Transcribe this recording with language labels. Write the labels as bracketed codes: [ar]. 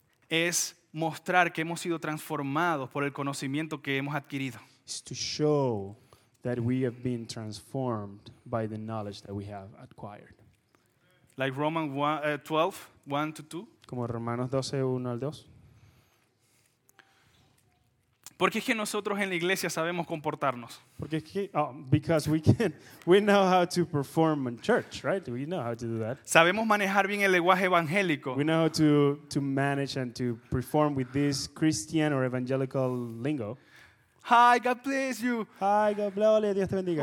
[es] es mostrar que hemos sido transformados por el conocimiento que hemos adquirido. [en] Is to show that we have been transformed by the knowledge that we have acquired. Like Romans 12:1-2. [es] Como Romanos 12:1-2. Porque es que nosotros en la iglesia sabemos comportarnos. Porque es que, [en] because we know how to perform in church, right? We know how to do that. [es] Sabemos manejar bien el lenguaje evangélico. [en] We know how to manage and to perform with this Christian or evangelical lingo. Hi, God bless you. Hi, God bless you. [es] Dios te bendiga.